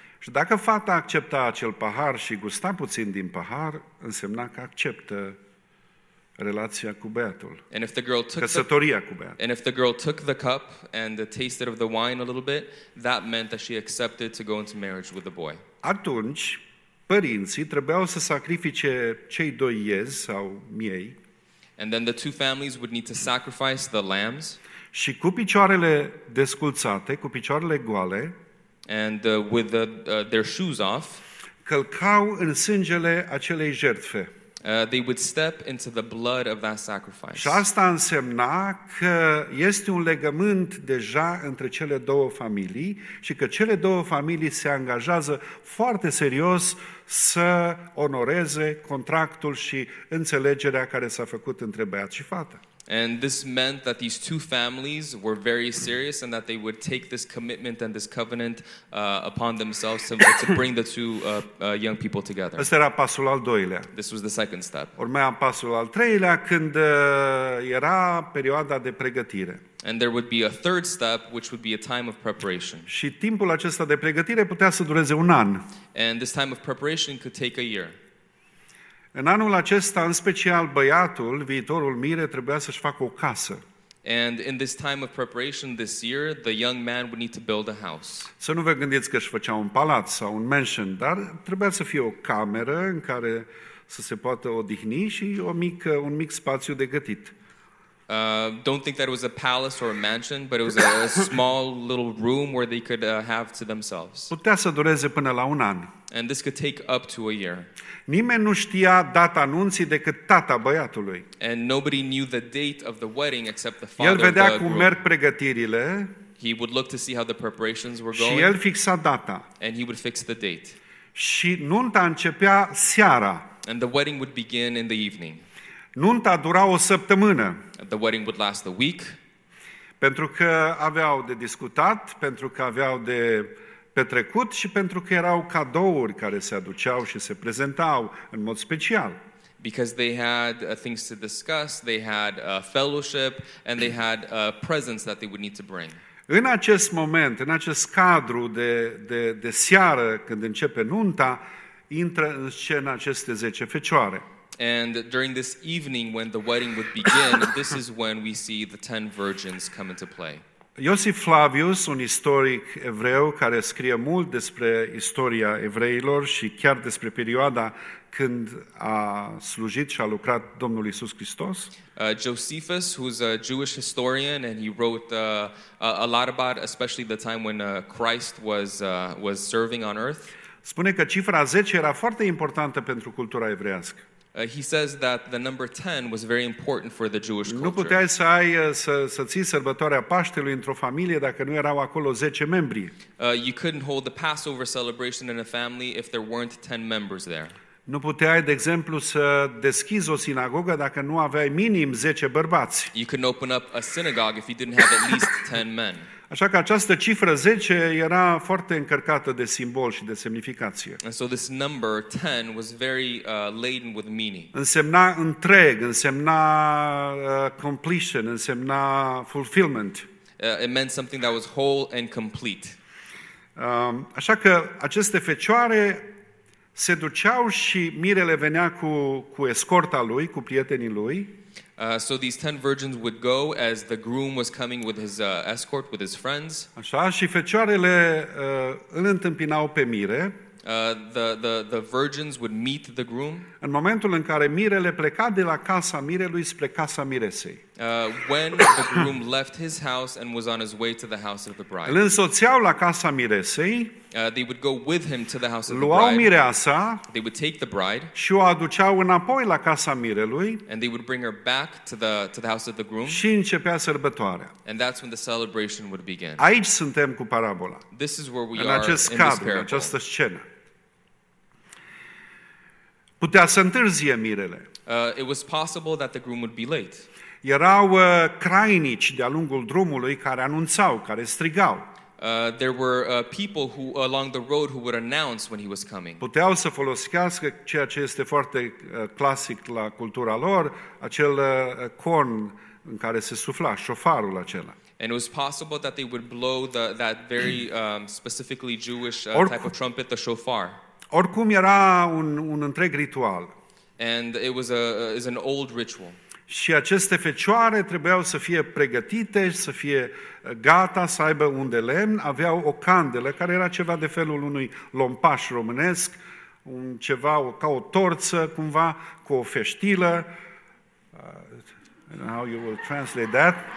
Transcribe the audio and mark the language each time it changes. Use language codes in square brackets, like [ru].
[ro] Și dacă fata accepta acel pahar și gusta puțin din pahar, însemna că acceptă relația cu băiatul. [en] And if the girl took [ro] căsătoria cu băiatul. [en] And if the girl took the cup and tasted of the wine a little bit, that meant that she accepted to go into marriage with the boy. [ro] Atunci, părinții trebuiau să sacrifice cei doi iezi sau miei. [en] And then the two families would need to sacrifice the lambs. [ro] Și cu picioarele desculțate, cu picioarele goale, [en] and with their shoes off, [ro] călcau în sângele acelei jertfe. [en] They would step into the blood of that sacrifice. [ro] Și asta însemna că este un legământ deja între cele două familii și că cele două familii se angajează foarte serios să onoreze contractul și înțelegerea care s-a făcut între băiat și fată. [en] And this meant that these two families were very serious and that they would take this commitment and this covenant upon themselves to bring the two young people together. [ro] Asta era pasul al doilea. [en] This was the second step. [ro] Urmea pasul al treilea când era perioada de pregătire. [en] And there would be a third step, which would be a time of preparation. [ro] Și timpul acesta de pregătire putea să dureze un an. [en] And this time of preparation could take a year. [ro] În anul acesta, în special, băiatul, viitorul mire, trebuia să-și facă o casă. [en] And in this time of preparation this year, the young man would need to build a house. [ro] Să nu vă gândiți că își făcea un palat sau un mansion, dar trebuia să fie o cameră în care să se poată odihni și un mic spațiu de gătit. [en] Don't think that it was a palace or a mansion, but it was a small little room where they could have to themselves. [ro] Putea să dureze până la un an. [en] And this could take up to a year. [ro] Nimeni nu știa data anunții decât tata băiatului. [en] And nobody knew the date of the wedding except the father. [ro] El vedea [en] the [ro] cum [en] groom. [ro] Merg pregătirile. [en] He would look to see how the preparations were going. [ro] Și el fixa data. [en] And he would fix the date. [ro] Și nunta începea seara. [en] And the wedding would begin in the evening. [ro] Nunta dura o săptămână. [en] The wedding would last a week. [ro] Pentru că aveau de discutat, pentru că aveau de petrecut și pentru că erau cadouri care se aduceau și se prezentau în mod special. [en] Because they had things to discuss, they had a fellowship and they had a presents that they would need to bring. [ro] În acest moment, în acest cadru de seară când începe nunta, intră în scenă aceste 10 fecioare. [en] And during this evening when the wedding would begin, this is when we see the 10 virgins come into play. [ro] Iosif Flavius, un istoric evreu care scrie mult despre istoria evreilor și chiar despre perioada când a slujit și a lucrat Domnul Iisus Hristos. [en] Josephus, who's a Jewish historian and he wrote a lot about especially the time when Christ was serving on earth. [ro] Spune că cifra 10 era foarte importantă pentru cultura evreiască. [en] He says that the number 10 was very important for the Jewish culture. [ro] Nu puteai să ai să ții sărbătoarea Paștelui într-o familie dacă nu erau acolo 10 membri. [en] You couldn't hold the Passover celebration in a family if there weren't 10 members there. [ro] Nu puteai, de exemplu, să deschizi o sinagogă dacă nu aveai minim 10 bărbați. [en] You couldn't open up a synagogue if you didn't have at least 10 men. [ro] Așa că această cifră 10 era foarte încărcată de simbol și de semnificație. [en] And so this number 10 was very laden with meaning. [ro] Însemna întreg, însemna [en] completion, [ro] însemna [en] fulfillment. It meant something that was whole and complete. [ro] Așa că aceste fecioare se duceau și mirele venea cu escorta lui, cu prietenii lui. [en] So these 10 virgins would go as the groom was coming with his escort, with his friends. [ro] Așa, și fecioarele îl întâmpinau pe mire. [en] The virgins would meet the groom. [ro] În momentul în care mirele pleca de la casa mirelui spre casa miresei. [en] When the groom left his house and was on his way to the house of the bride. [ro] Îl însoțeau la casa miresei. [en] They would go with him to the house of the bride. [ro] Luau mireasa. [en] They would take the bride. [ro] Și o aduceau înapoi la casa mirelui. [en] And they would bring her back to the house of the groom. [ro] Și începea sărbătoarea. [en] And that's when the celebration would begin. [ro] Aici suntem cu parabola. [en] This is where we are in this parable. [ro] În această scenă. Putea să întârzie mirele. [en] It was possible that the groom would be late. [ro] Erau crainici de-a lungul drumului care anunțau, care strigau. [en] There were people who along the road who would announce when he was coming. [ro] Puteau să folosească ceea ce este foarte clasic la cultura lor, acel corn în care se sufla, șofarul acela. [en] And it was possible that they would blow that very specifically Jewish type of trumpet, the shofar. [ro] Oricum era un întreg ritual. [en] And it was is an old ritual. [ro] Și aceste fecioare trebuiau să fie pregătite, să fie gata, să aibă un de lemn, aveau o candelă care era ceva de felul unui lompaș românesc, un ceva ca o torță, cumva, cu o feștilă. [en] I don't know how you will translate that.